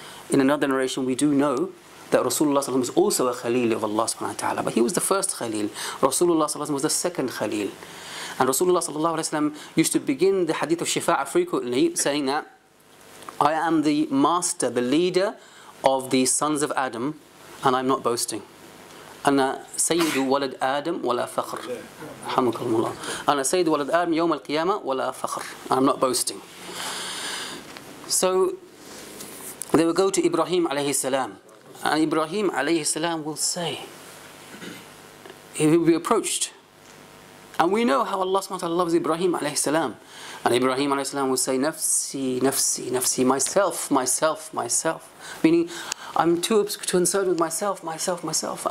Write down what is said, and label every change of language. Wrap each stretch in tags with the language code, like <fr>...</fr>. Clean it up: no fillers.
<en>In another narration, we do know that Rasulullah is also a Khalil of Allah subhanahu wa ta'ala. But he was the first Khalil. Rasulullah was the second Khalil. And Rasulullah used to begin the hadith of Shifa'a frequently, saying that I am the master, the leader of the sons of Adam, and I'm not boasting.</en> <ar>أنا سيد ولد آدم ولا فخر حمك الله أنا سيد ولد آدم يوم القيامة ولا فخر.</ar> <en>I'm not boasting. So they will go to Ibrahim عليه السلام, and Ibrahim عليه السلام will say, he will be approached, and we know how Allah سبحانه وتعالى loves Ibrahim عليه السلام, and Ibrahim عليه السلام will say,</en> <ar>نفسي نفسي نفسي,</ar> <en>myself myself myself, meaning I'm too concerned with myself, myself, myself.</en>